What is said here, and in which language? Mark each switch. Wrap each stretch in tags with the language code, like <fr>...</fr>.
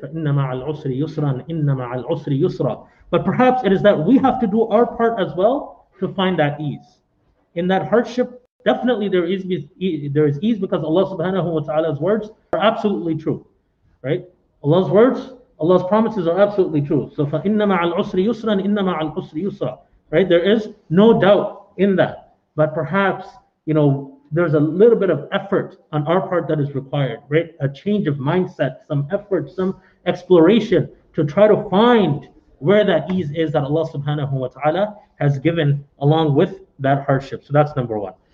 <ar>فَإِنَّ مَعَ الْعُسْرِ يُسْرًا إِنَّ مَعَ الْعُسْرِ يُسْرًا.</ar> <en>But perhaps it is that we have to do our part as well to find that ease. In that hardship, definitely there is ease, because Allah subhanahu wa ta'ala's words are absolutely true, right? Allah's words, Allah's promises are absolutely true.</en> <ar>So فَإِنَّ مَعَ الْعُسْرِ يُسْرًا إِنَّ مَعَ الْعُسْرِ يُسْرًا, right?</ar> <en>There is no doubt in that. But perhaps, you know, there's a little bit of effort on our part that is required, right? A change of mindset, some effort, some exploration to try to find where that ease is that Allah subhanahu wa ta'ala has given along with that hardship. So that's number one.</en>